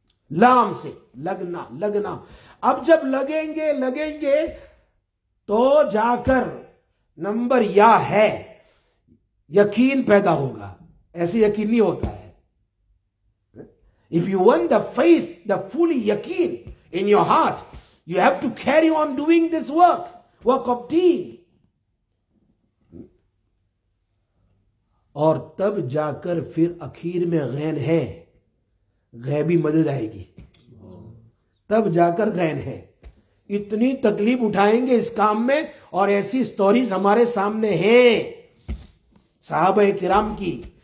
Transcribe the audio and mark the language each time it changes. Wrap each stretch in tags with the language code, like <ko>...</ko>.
<ur>لام سے لگنا, لگنا. اب جب لگیں گے لگیں گے تو جا کر نمبر یا ہے یقین پیدا ہوگا, ایسے یقین نہیں ہوتا ہے.</ur> <en>If you want the faith, the fully yakin in your heart, you have to carry on doing this work, work of deen.</en> <ur>اور تب جا کر پھر اخیر میں غین ہے, غیبی مدد آئے گی, تب جا کر غین ہے. اتنی تکلیف اٹھائیں گے اس کام میں اور ایسی سٹوریز ہمارے سامنے ہیں صحابہ کرام کی.</ur>